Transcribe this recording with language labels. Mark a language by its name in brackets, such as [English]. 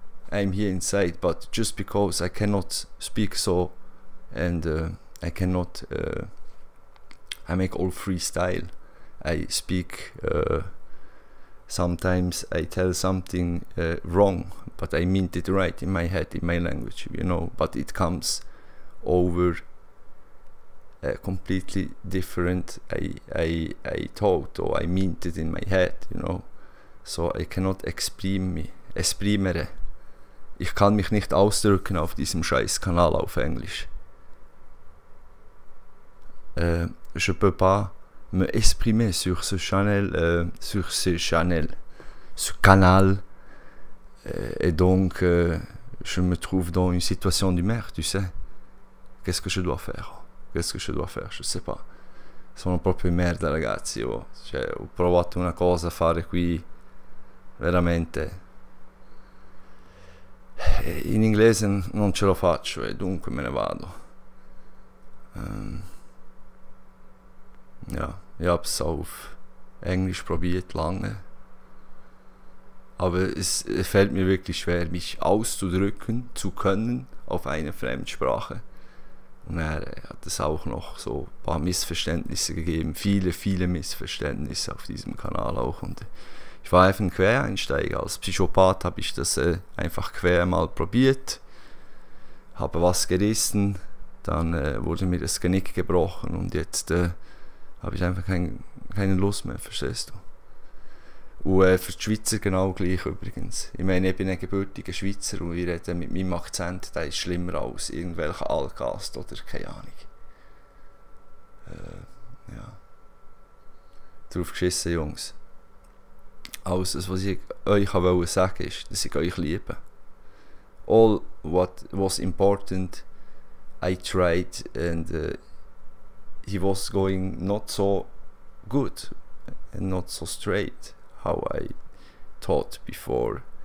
[English] I'm here inside, but just because I cannot speak so, and I cannot I make all freestyle, I speak sometimes I tell something wrong, but I meant it right in my head, in my language, you know, but it comes over completely different. I thought, or I meant it in my head, you know, so I cannot exprimere. [German] Ich kann mich nicht ausdrücken auf diesem scheiß Kanal auf Englisch. [French] Je peux pas me exprimer sur ce channel, ce canal, et donc je me trouve dans une situation de merde, tu sais. Qu'est-ce que je dois faire? Qu'est-ce que je dois faire? Je sais pas. [Italian] Sono proprio merda, ragazzi. [French] Oh. [Italian] Cioè, ho provato una cosa a fare qui, veramente. In inglese non ce lo faccio, e dunque me ne vado. [German] Ja, ich habe es auf Englisch probiert, lange. Aber es fällt mir wirklich schwer, mich auszudrücken zu können auf eine Fremdsprache. Und er hat es auch noch so ein paar Missverständnisse gegeben. Viele, viele Missverständnisse auf diesem Kanal auch. Und ich war einfach ein Quereinsteiger. Als Psychopath habe ich das einfach quer mal probiert. Habe was gerissen. Dann wurde mir das Genick gebrochen. Und jetzt habe ich einfach keine Lust mehr, verstehst du? Und für die Schweizer genau gleich übrigens. Ich meine, ich bin ein gebürtiger Schweizer und wir reden mit meinem Akzent, der ist schlimmer als irgendwelcher Alcast oder keine Ahnung. Ja. Drauf geschissen, Jungs. Alles, was ich euch wollte sagen, ist, dass ich euch liebe. [English] All what was important, I tried, and he was going not so good and not so straight how I thought before.